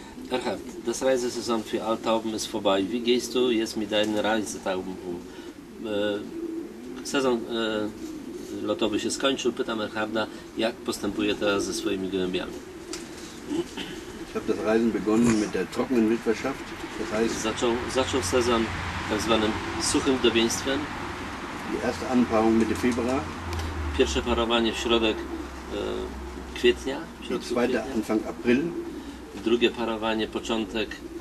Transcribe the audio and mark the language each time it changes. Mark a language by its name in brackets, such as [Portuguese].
[German] Erhard, das Reisesaison für Altauben ist vorbei. Wie gehst du jetzt mit deinen Reisetauben um? [Polish] Sezon lotowy się skończył. Pytam Erharda, jak postępuje teraz ze swoimi gołębiami. [German] Ich habe das Reisen begonnen mit der trockenen Witwerschaft. Das heißt, [Polish] zaczął sezon tak zwanym suchym dobieństwem. [German] Die erste Anpaarung Mitte Februar. [Polish] Pierwsze parowanie w środek kwietnia. [German] Die zweite kwietnia. Anfang April. [Polish] Drugie parowanie początek